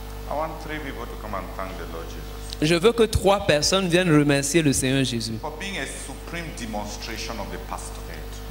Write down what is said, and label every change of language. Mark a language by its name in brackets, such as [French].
[English] I want three people to come and thank the Lord Jesus. [French] Je veux que trois personnes viennent remercier le Seigneur Jésus. [English] For being a supreme demonstration of the pastorate.